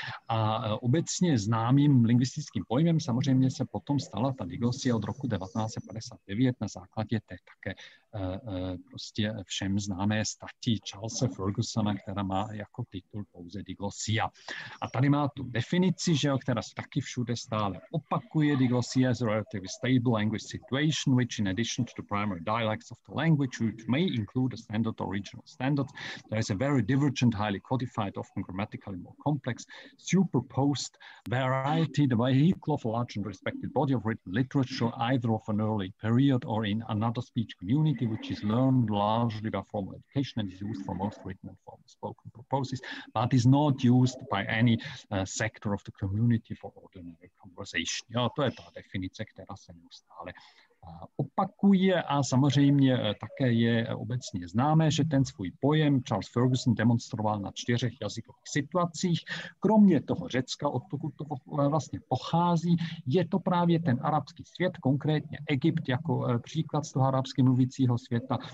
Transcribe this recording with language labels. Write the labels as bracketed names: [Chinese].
[Czech] A obecně známým lingvistickým pojmem samozřejmě se potom stala ta diglosie od roku 1959 na základě té také prostě všem známé statí Charlesa Fergusona, která má jako titul pouze diglosia. A tady má tu definici, že jo, která se taky všude stále opakuje. [English] Diglosia is a relatively stable language situation, which in addition to the primary dialects of the language, which may include a standard or regional standard, there is a very divergent, highly codified, often grammatically more complex, superposed variety, the vehicle of a large and respected body of written literature, either of an early period or in another speech community, which is learned largely by formal education and is used for most written and formal spoken purposes, but is not used by any sector of the community for ordinary conversation. [Czech] Jo, to je ta definice, která se neustále opakuje a samozřejmě také je obecně známé, že ten svůj pojem Charles Fergusson demonstroval na čtyřech jazykových situacích. Kromě toho Řecka, odkud to vlastně pochází, je to právě ten arabský svět, konkrétně Egypt jako příklad z toho arabsky mluvícího světa.